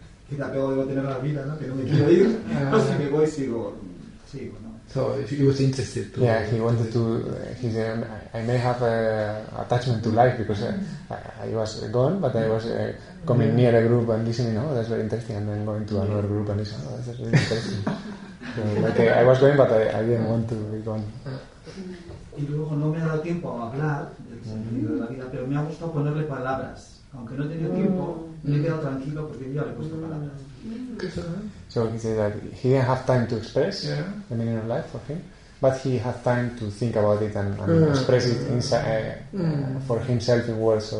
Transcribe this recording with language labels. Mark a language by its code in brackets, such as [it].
[es] ¿Qué apego debo tener a la vida, ¿no? Que no me quiero ir. O sea, que voy, sigo, ¿no? [en] So he was interested to. Yeah, he wanted to. He said, "I may have an attachment to life because I was gone, but I was coming near a group and listening. Oh, that's very interesting. And then going to another group and listening. Oh, that's very interesting. So, like, I was going, but I didn't want to be gone." [es] Y luego no me ha dado tiempo a hablar del sentido de la vida, pero me ha gustado ponerle palabras. Aunque no he tenido tiempo, me he quedado tranquilo porque yo le he puesto palabras. [en] So he said that he didn't have time to express the meaning of life for him, but he had time to think about it and express it inside for himself in words.